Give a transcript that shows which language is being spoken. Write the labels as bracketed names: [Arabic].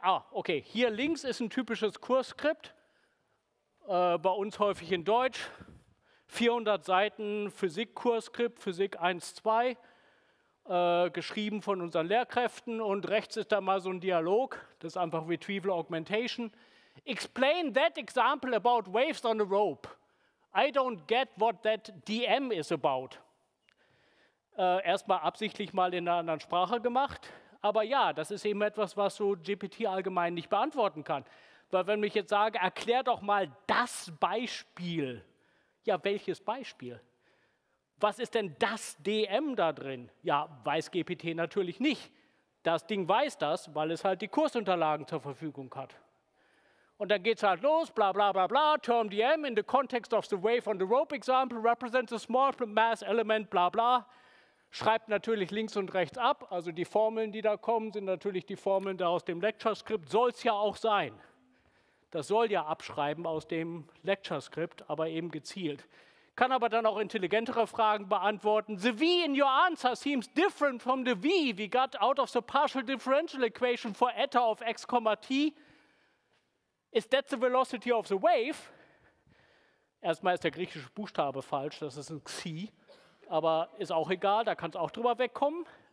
[German] Ah, okay, hier links ist ein typisches Kursskript. Bei uns häufig in Deutsch. 400 Seiten Physik-Kursskript, Physik 1-2. Geschrieben von unseren Lehrkräften und rechts ist da mal so ein Dialog, das ist einfach Retrieval Augmentation. [English] Explain that example about waves on a rope. I don't get what that DM is about. [German] Erstmal absichtlich mal in einer anderen Sprache gemacht, aber ja, das ist eben etwas, was so GPT allgemein nicht beantworten kann. Weil wenn ich jetzt sage, erklär doch mal das Beispiel. Ja, welches Beispiel? Was ist denn das DM da drin? Ja, weiß GPT natürlich nicht. Das Ding weiß das, weil es halt die Kursunterlagen zur Verfügung hat. Und dann geht es halt los, bla bla [English] bla bla, Term DM in the context of the wave on the rope example represents a small mass element, bla bla. [German] Schreibt natürlich links und rechts ab. Also die Formeln, die da kommen, sind natürlich die Formeln da aus dem Lecture-Skript. Soll es ja auch sein. Das soll ja abschreiben aus dem Lecture-Skript, aber eben gezielt. Kann aber dann auch intelligentere Fragen beantworten. [English] The V in your answer seems different from the V we got out of the partial differential equation for eta of x, t. Is that the velocity of the wave? [German] Erstmal ist der griechische Buchstabe falsch, das ist ein Xi. Aber ist auch egal, da kann es auch drüber wegkommen.